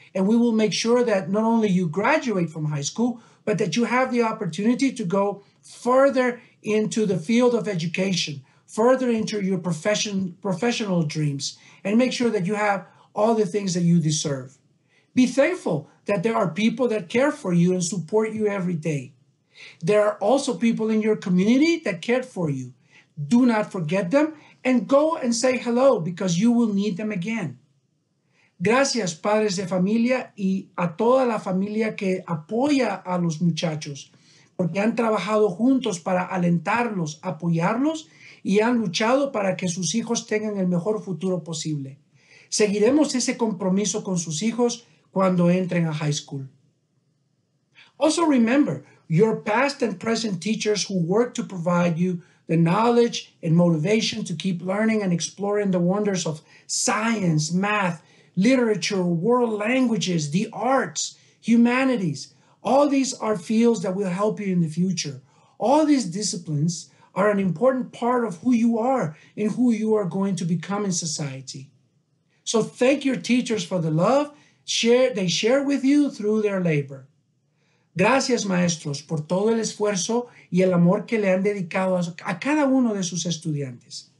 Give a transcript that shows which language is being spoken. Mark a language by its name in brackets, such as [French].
[English] And we will make sure that not only you graduate from high school, but that you have the opportunity to go further into the field of education, further into your professional dreams, and make sure that you have all the things that you deserve. Be thankful that there are people that care for you and support you every day. There are also people in your community that care for you. Do not forget them and go and say hello, because you will need them again. [Spanish] Gracias, padres de familia, y a toda la familia que apoya a los muchachos, porque han trabajado juntos para alentarlos, apoyarlos, y han luchado para que sus hijos tengan el mejor futuro posible. Seguiremos ese compromiso con sus hijos cuando entren a high school. [English] Also remember your past and present teachers who work to provide you the knowledge and motivation to keep learning and exploring the wonders of science, math, literature, world languages, the arts, humanities. All these are fields that will help you in the future. All these disciplines are an important part of who you are and who you are going to become in society. So thank your teachers for the love they share with you through their labor. [Spanish] Gracias, maestros, por todo el esfuerzo y el amor que le han dedicado a cada uno de sus estudiantes.